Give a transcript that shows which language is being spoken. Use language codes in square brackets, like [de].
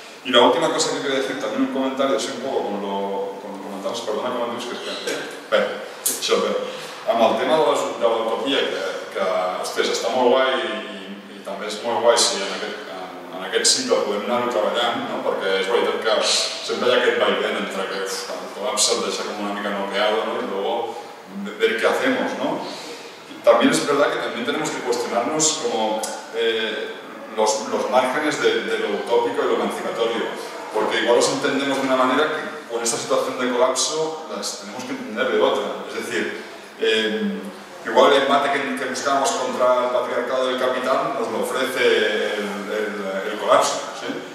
[es] Y la última cosa que quería decir, también un comentario, es un poco como lo comentamos, perdona que me lo escribí, pero, [ca] amb el tema [es] de la utopía, que hostia, está muy guay, y también es muy guay si [ca] en aquest cicle podem anar-ho treballant, [es] no? [ca] Perquè és veritat que sempre hi ha aquest vaivent entre que el col·lapse et deixa com una mica noqueado, no? I [es] luego ver què hacemos, [ca] no? [es] También es verdad que también tenemos que cuestionarnos como los márgenes de lo utópico y lo emancipatorio, porque igual los entendemos de una manera que con esta situación de colapso las tenemos que entender de otra. Es decir, igual el mate que buscamos contra el patriarcado del capital nos lo ofrece el colapso, ¿sí?